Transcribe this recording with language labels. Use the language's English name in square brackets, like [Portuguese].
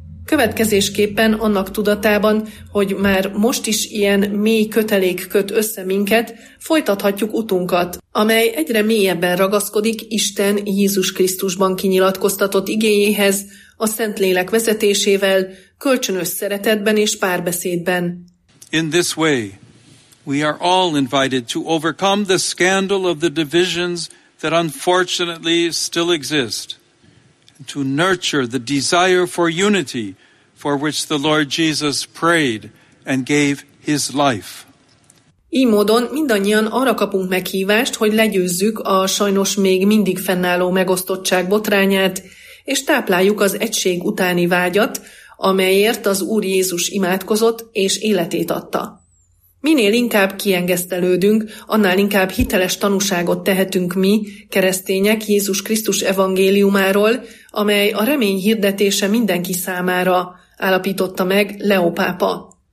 [Hungarian] Következésképpen annak tudatában, hogy már most is ilyen mély kötelék köt össze minket, folytathatjuk utunkat, amely egyre mélyebben ragaszkodik Isten Jézus Krisztusban kinyilatkoztatott igényéhez, a Szentlélek vezetésével, kölcsönös szeretetben és párbeszédben. [English] In this way, we are all invited to overcome the scandal of the divisions that unfortunately still exist, to nurture the desire for unity for which the Lord Jesus prayed and gave his life. [Hungarian] Így módon mindannyian arra kapunk meghívást, hogy legyőzzük a sajnos még mindig fennálló megosztottság botrányát, és tápláljuk az egység utáni vágyat, amelyért az Úr Jézus imádkozott és életét adta. Minél inkább kiengesztelődünk, annál inkább hiteles tanúságot tehetünk mi, keresztények, Jézus Krisztus evangéliumáról, amely a remény hirdetése mindenki számára, állapította meg Leó pápa.